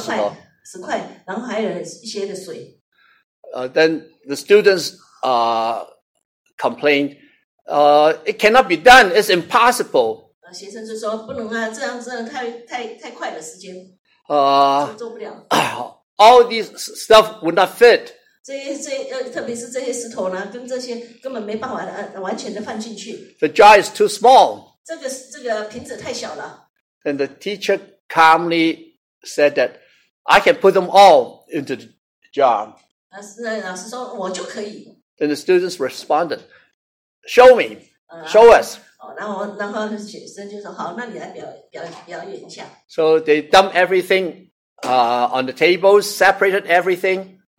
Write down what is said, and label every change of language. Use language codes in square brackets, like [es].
[zh] 在那个桌上呢，还有一些有三个那个石块，然后还有一些的水。 [en] Then the students complained, "It cannot be done. It's impossible." [zh] 学生就说不能啊，这样真的太快的时间，做不了。 [en] All these stuff would not fit. [zh] 特别是这些石头呢，跟这些根本没办法完全的放进去。 [en] The jar is too small. [zh] 这个瓶子太小了。 [en] And the teacher calmly said that I can put them all into the jar. [zh] 老师说我就可以。 [en] Then the students responded, "Show me, show us." [zh] 然后学生就说好，那你来表演一下。 [en] So they dumped everything on the tables, separated everything.